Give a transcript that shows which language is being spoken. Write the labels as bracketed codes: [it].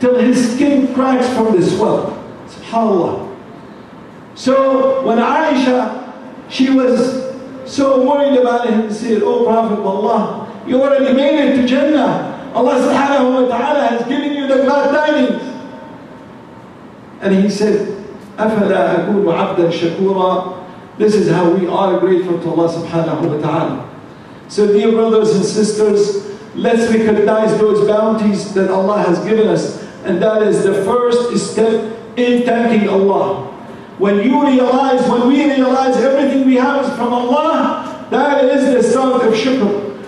[en] Till his skin cracks from the swell. SubhanAllah. So when Aisha, she was so worried about him, said, oh Prophet of Allah, you already made it to Jannah. Allah subhanahu wa ta'ala has given you the glad tidings. And he said, [ar] أَفَلَا أَكُونُ عَبْدًا شَكُورًا. [en] This is how we are grateful to Allah subhanahu wa ta'ala. So dear brothers and sisters, let's recognize those bounties that Allah has given us. And that is the first step in thanking Allah. When you realize, when we realize everything we have is from Allah, that is the start of shukr.